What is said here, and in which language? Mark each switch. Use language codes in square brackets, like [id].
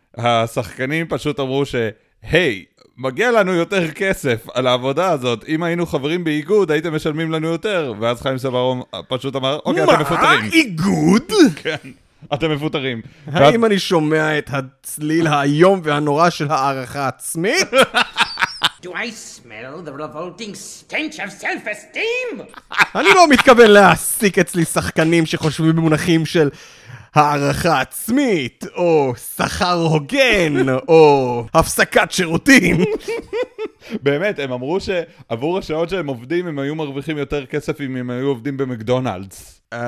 [he] השחקנים פשוט אמרו שהי, מגיע לנו יותר כסף על העבודה הזאת. אם היינו חברים באיגוד, הייתם משלמים לנו יותר. ואז חיים סברום פשוט אמר, אוקיי, אתם מפותרים. מה? איגוד? כן. אתם מפותרים. האם אני שומע את הצליל היום והנורא של הערכה עצמית? [en] Do I smell the revolting stench of self-esteem? [he] אני לא מתכוון להעסיק אצלי שחקנים שחושבים במונחים של הערכה עצמית, או שכר הוגן, או הפסקת שירותים. באמת, הם אמרו שעבור השעות שהם עובדים, הם היו מרוויחים יותר כסף אם הם היו עובדים במקדונלדס.